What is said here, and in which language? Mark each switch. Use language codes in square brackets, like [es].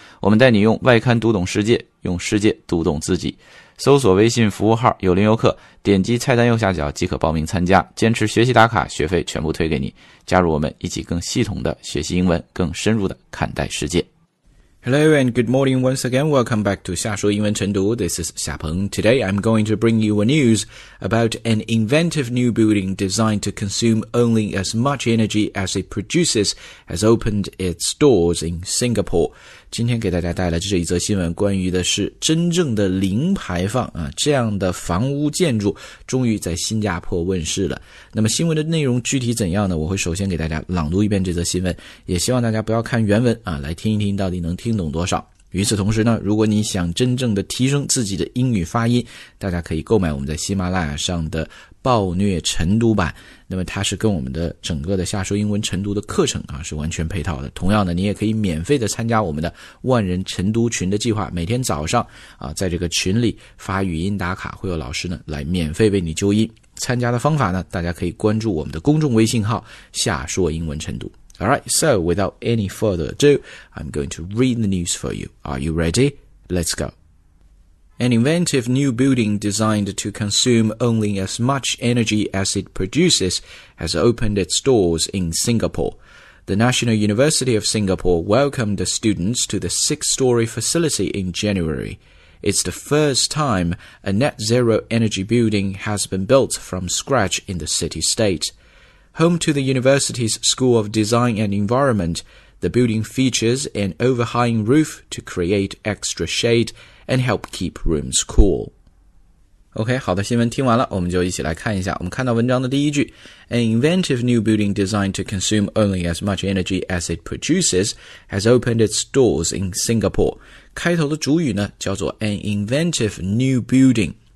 [zh] 我们带你用外刊读懂世界，用世界读懂自己。搜索微信服务号有零游客，点击菜单右下角即可报名参加，坚持学习打卡，学费全部推给你。加入我们，一起更系统的学习英文，更深入的看待世界。 [en] Hello and good morning once again. Welcome back to 夏说英文晨读.This is 夏鹏. Today I'm going to bring you a news about an inventive new building designed to consume only as much energy as it produces has opened its doors in Singapore. [zh] 今天给大家带来这一则新闻，关于的是真正的零排放啊，这样的房屋建筑终于在新加坡问世了。那么新闻的内容具体怎样呢？我会首先给大家朗读一遍这则新闻，也希望大家不要看原文啊，来听一听到底能听懂多少。与此同时呢，如果你想真正的提升自己的英语发音，大家可以购买我们在喜马拉雅上的暴虐晨读版，那么它是跟我们的整个的夏说英文晨读的课程啊是完全配套的。同样呢，你也可以免费的参加我们的万人晨读群的计划，每天早上啊在这个群里发语音打卡，会有老师呢来免费为你纠音。参加的方法呢，大家可以关注我们的公众微信号夏说英文晨读。 [en] Alright, so without any further ado, I'm going to read the news for you. Are you ready? Let's go. An inventive new building designed to consume only as much energy as it produces has opened its doors in Singapore. The National University of Singapore welcomed the students to the six-story facility in January. It's the first time a net-zero energy building has been built from scratch in the city-state. Home to the university's School of Design and Environment, the building features an overhanging roof to create extra shade and help keep rooms cool. [zh] OK, 好的，新闻听完了，我们就一起来看一下。我们看到文章的第一句 [en] ,An inventive new building designed to consume only as much energy as it produces has opened its doors in Singapore. [zh] 开头的主语呢叫做 [en] An inventive new building。